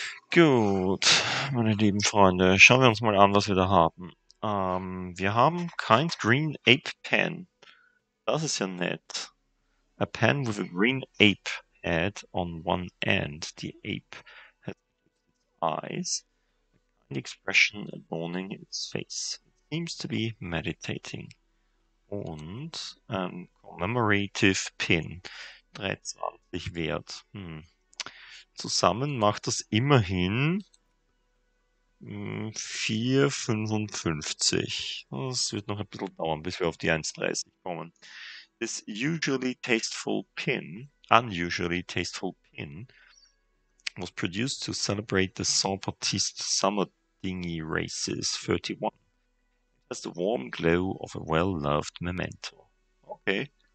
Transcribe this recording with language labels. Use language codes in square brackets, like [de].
[de] Gut, meine lieben Freunde, schauen wir uns mal an, was wir da haben. Wir haben Kind Green Ape Pen. Das ist ja nett. [en] A pen with a green ape head on one end. The ape has eyes. A kind expression adorning its face. It seems to be meditating. [de] Und ein [en] commemorative pin. [de] 23 wert. Zusammen macht das immerhin 4,55. Es wird noch ein bisschen dauern, bis wir auf die 1,30 kommen. [en] This usually tasteful pin, unusually tasteful pin, was produced to celebrate the Saint-Baptiste Summer Dinghy Races 31. It has the warm glow of a well-loved memento. Okay.